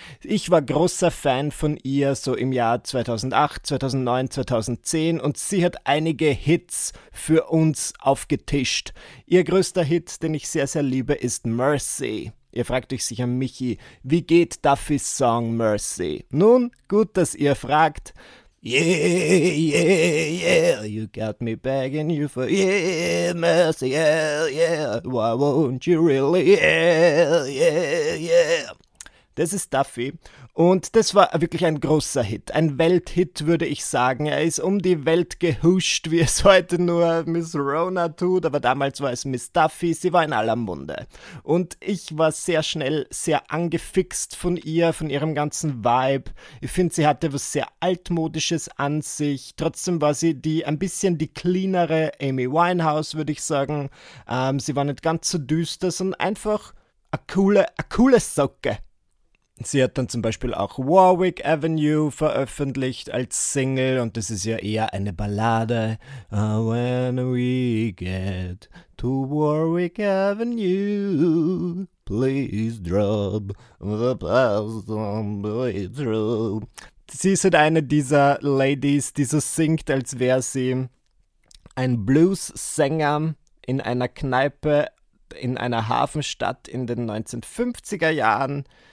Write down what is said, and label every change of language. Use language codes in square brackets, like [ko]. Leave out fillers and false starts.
[de] Ich war großer Fan von ihr so im Jahr 2008, 2009, 2010 und sie hat einige Hits für uns aufgetischt. Ihr größter Hit, den ich sehr, sehr liebe, ist Mercy. Ihr fragt euch sicher, Michi, wie geht Duffys Song Mercy? Nun, gut, dass ihr fragt. [en] Yeah, you got me begging you for yeah, mercy, yeah. Why won't you really, yeah. [de] Das ist Duffy. Und das war wirklich ein großer Hit. Ein Welthit, würde ich sagen. Er ist um die Welt gehuscht, wie es heute nur Miss Rona tut. Aber damals war es Miss Duffy. Sie war in aller Munde. Und ich war sehr schnell sehr angefixt von ihr, von ihrem ganzen Vibe. Ich finde, sie hatte was sehr Altmodisches an sich. Trotzdem war sie ein bisschen die cleanere Amy Winehouse, würde ich sagen. Sie war nicht ganz so düster, sondern einfach a coole Socke. Sie hat dann zum Beispiel auch Warwick Avenue veröffentlicht als Single und das ist ja eher eine Ballade. [en] When we get to Warwick Avenue, please drop the past on the way through. [de] Sie ist halt eine dieser Ladies, die so singt, als wäre sie ein Blues-Sänger in einer Kneipe in einer Hafenstadt in den 1950er Jahren.